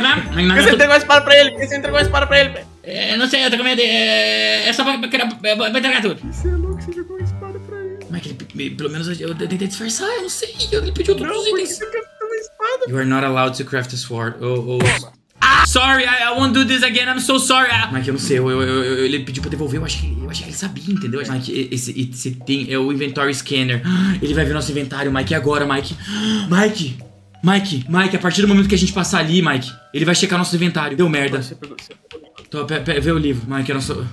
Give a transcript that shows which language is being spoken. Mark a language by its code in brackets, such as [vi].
[pt] Por que você entregou a espada pra ele? Eu não sei, eu tô com medo. É só pra... Vou entregar tudo. Você é louco, você jogou a espada pra ele. Mas pelo menos eu tentei disfarçar. Eu não sei. Ele pediu todos os itens. Espada. [en] You are not allowed to craft a sword. Sorry, I won't do this again, I'm so sorry. [pt] Mike, eu não sei, ele pediu pra devolver, eu acho que ele sabia, entendeu? Mike, esse tem é o inventory scanner. Ele vai ver nosso inventário, Mike, agora, Mike. Mike, a partir do momento que a gente passar ali, Mike, ele vai checar nosso inventário. Deu merda. Então, vê o livro, Mike, é nosso...